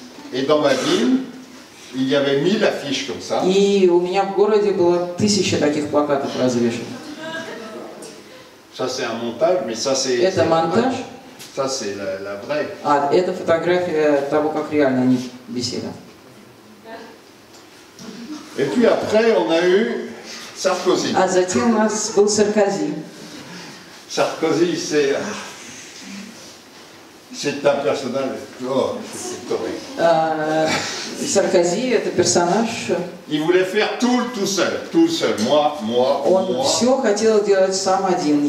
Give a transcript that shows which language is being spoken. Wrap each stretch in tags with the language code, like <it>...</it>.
<fr>Et dans ma ville, il y avait 1000 affiches comme ça.</fr> <ru>И у меня в городе было 1000 таких плакатов развешено.</ru> <fr>Ça c'est un montage, mais ça c'est.</fr> <ru>Это монтаж?</ru> <fr>Ça c'est la vraie.</fr> <ru>А это фотография того, как реально они беседовали.</ru> <fr>Et puis après, on a eu Sarkozy.</fr> <ru>А затем у нас был Саркози.</ru> <fr>Sarkozy, c'est un personnage. Oh, c'est Sarkozy, c'est un personnage. Il voulait faire tout seul. Moi.</fr> <ru>Он все хотел делать сам один.</ru>